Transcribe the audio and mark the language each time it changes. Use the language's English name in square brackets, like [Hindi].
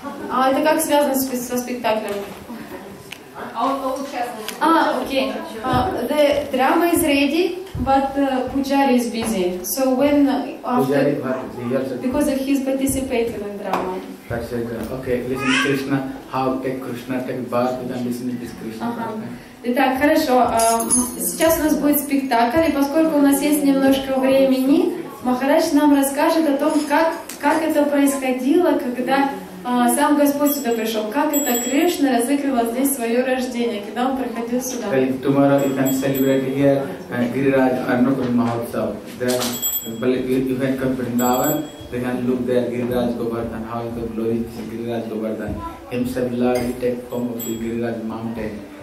[Russian] А это как связано со спектаклем? [English] Okay. The drama is ready, but Pujari is busy. So when Pujari, because of his participating in drama. That's it. Okay, listen, Krishna, how take Krishna take bath and listen to this Krishna. [Russian] Итак, хорошо. Сейчас у нас будет спектакль, и поскольку у нас есть немножко времени, Махарадж нам расскажет о том, как это происходило, когда сам Господь сюда пришел, как это Кришна разыгрывал здесь свое рождение, когда он приходил сюда. [English] Tomorrow you can celebrate here Giriraj Annapurna Mahotsav. There, you can come to Vrindavan, you can look there Giriraj Govardhan, how the glory is Giriraj Govardhan. Himself Lord, he take form of the Giriraj mountain.